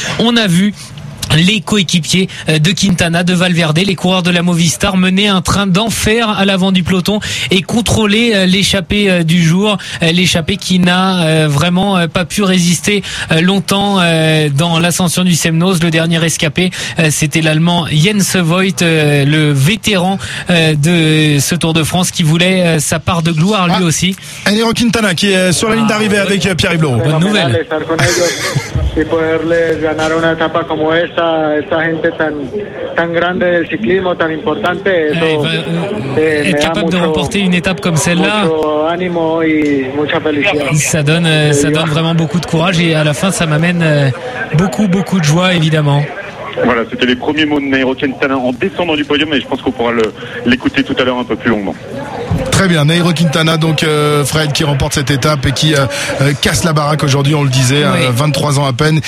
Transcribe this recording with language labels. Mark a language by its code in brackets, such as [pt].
[fr] On a vu les coéquipiers de Quintana, de Valverde, les coureurs de la Movistar menaient un train d'enfer à l'avant du peloton et contrôlaient l'échappée du jour, l'échappée qui n'a vraiment pas pu résister longtemps dans l'ascension du Semnoz. Le dernier escapé, c'était l'Allemand Jens Voigt, le vétéran de ce Tour de France, qui voulait sa part de gloire lui aussi. Nairo Quintana qui est sur la ligne d'arrivée avec Pierre-Yves Leroux. Bonne nouvelle. [es] Y poderles ganar una etapa como esta, esta gente tan grande del ciclismo, tan importante, eso me da mucho, [fr] de remporter une étape comme celle-là, [es] mucho ánimo y mucha felicidad. [fr] Ça donne vraiment beaucoup de courage et à la fin ça m'amène beaucoup beaucoup de joie évidemment. Voilà, c'était les premiers mots de Nairo Quintana en descendant du podium et je pense qu'on pourra l'écouter tout à l'heure un peu plus longuement. Très bien, Nairo Quintana, donc Fred, qui remporte cette étape et qui casse la baraque aujourd'hui, on le disait, oui. 23 ans à peine.